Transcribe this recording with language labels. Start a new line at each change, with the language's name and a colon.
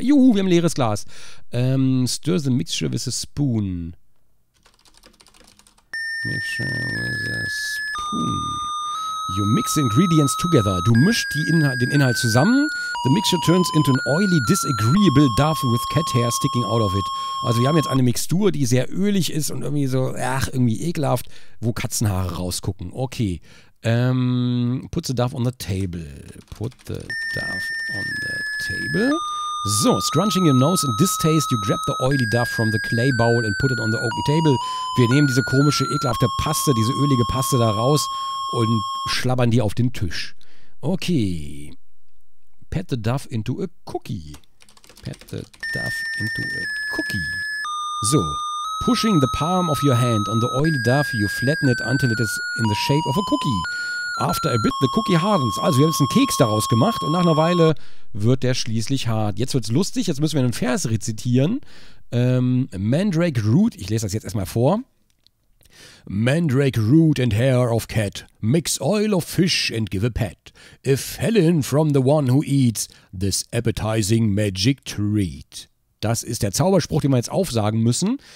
German: Juhu, wir haben ein leeres Glas.
English: Stir the mixture with a spoon. Mixture with a spoon. You mix the ingredients together.
German: Du mischst den Inhalt zusammen.
English: The mixture turns into an oily, disagreeable duff with cat hair sticking out of it.
German: Also wir haben jetzt eine Mixtur, die sehr ölig ist und irgendwie so, ach, irgendwie ekelhaft, wo Katzenhaare rausgucken.
English: Okay. Put the duff on the table. Put the duff on the table. So, scrunching your nose in distaste, you grab the oily duff from the clay bowl and put it on the open table.
German: Wir nehmen diese komische, ekelhafte Paste, diese ölige Paste da raus und schlabbern die auf den Tisch.
English: Okay. Pat the duff into a cookie. Pat the duff into a cookie. So. Pushing the palm of your hand on the oily duff, you flatten it until it is in the shape of a cookie. After a bit, the cookie hardens.
German: Also, wir haben jetzt einen Keks daraus gemacht und nach einer Weile wird der schließlich hart. Jetzt wird's lustig, jetzt müssen wir einen Vers rezitieren. Mandrake Root, ich lese das jetzt erstmal vor.
English: Mandrake root and hair of cat, mix oil of fish and give a pat. A felon from the one who eats this appetizing magic treat.
German: Das ist der Zauberspruch, den wir jetzt aufsagen müssen.